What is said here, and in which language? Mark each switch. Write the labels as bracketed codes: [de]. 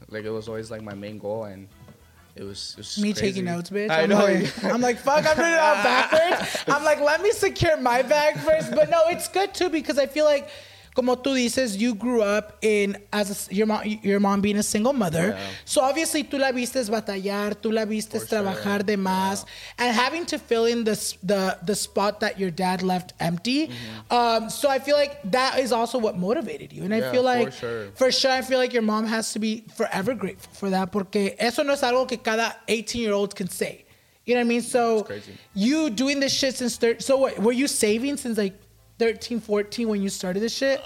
[en] Like, it was always, like, my main goal, and... It was me crazy. Taking notes, bitch. I know. Like, I'm like, fuck, I'm doing it all backwards. I'm like, let me secure my bag first. But no, it's good too, because I feel like, [es] como tú dices, [en] you grew up in, as a, your mom being a single mother. Yeah. So obviously, [es] tú la viste batallar, tú la viste trabajar de más. [en] Yeah. And having to fill in the spot that your dad left empty. Mm-hmm. So I feel like that is also what motivated you. And yeah, I feel like, for sure, I feel like your mom has to be forever grateful for that. [es] Porque eso no es algo que cada [en] 18-year-old can say. You know what I mean? So you doing this shit since 13. So what, were you saving since like 13, 14 when you started this shit?